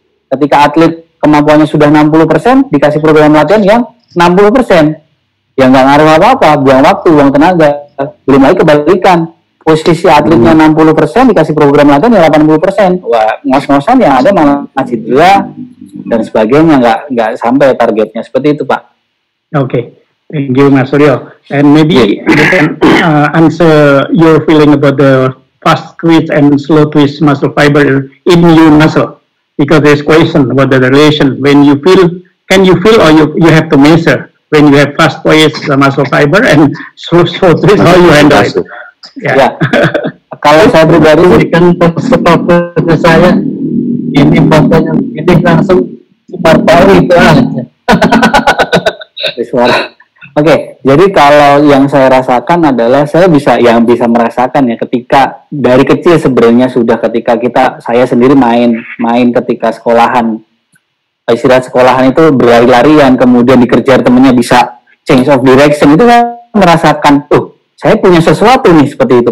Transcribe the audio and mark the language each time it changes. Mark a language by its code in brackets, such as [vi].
[id] Ketika atlet kemampuannya sudah 60% dikasih program latihan yang 60%, ya enggak ngaruh apa-apa, buang waktu, buang tenaga. Belum lagi kebalikan, posisi atletnya 60% dikasih program latihan yang 80%. Wah, ngos-ngosan yang ada malah cedera dan sebagainya, enggak sampai targetnya, seperti itu Pak. [en] Oke. Thank you, Mas Suryo. And maybe you can answer your feeling about the fast twitch and slow twitch muscle fiber in your muscle, because there's question about the relation. When you feel, can you feel, or you have to measure when you have fast twitch muscle fiber and slow twitch, how you handle it? [id] Yeah. Kalau saya pribadi, kan posisinya saya ini posisinya ini langsung separuh itu aja. Oke, jadi kalau yang saya rasakan adalah saya bisa merasakan ya, ketika dari kecil sebenarnya sudah, ketika saya sendiri main ketika sekolahan, istirahat sekolahan itu berlari-larian, kemudian dikejar temennya bisa [en] change of direction, [id] itu kan merasakan saya punya sesuatu nih, seperti itu.